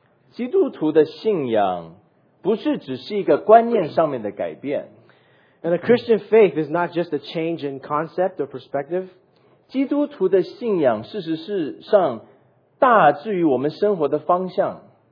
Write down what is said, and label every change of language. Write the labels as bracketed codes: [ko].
[zh] 基督徒的信仰不是只是一个观念上面的改变。 [en] And a Christian faith is not just a change in concept or perspective. [zh] 基督徒的信仰事实是上大致于我们生活的方向。